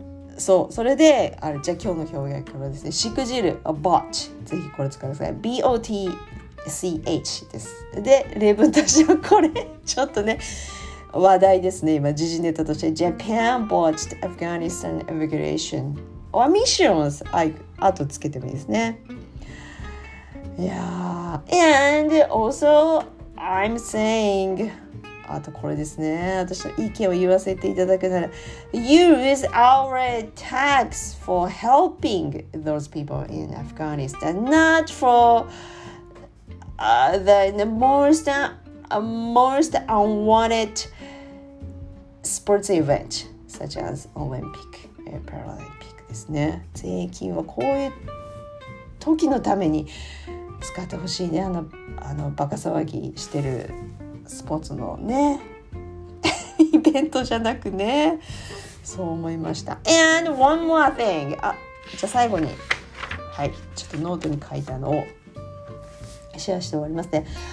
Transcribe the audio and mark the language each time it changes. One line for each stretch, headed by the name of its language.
Japanese: で、そう、それで、あれ、じゃあ今日の表現からですね、しくじる、a botch、ぜひこれ使ってください。 BOTCH です。で、例文としてはこれ、ちょっとね、話題ですね、今、時事ネタとして。
English: Japan botched Afghanistan evacuation or missions。
Japanese: あとつけてもいいですね。
English: Yeah, and also I'm saying,
Japanese: あとこれですね、私の意見を言わせていただくなら、
English: use our tax for helping those people in Afghanistan, not for the most unwanted sports event such as Olympic and Paralympic
Japanese: ですね。税金はこういう時のために使ってほしいね、あのバカ騒ぎしてるスポーツのねイベントじゃなくね、そう思いました。
English: And one more thing、
Japanese: あ、じゃあ最後に、はい、ちょっとノートに書いたのをシェアして終わりますね。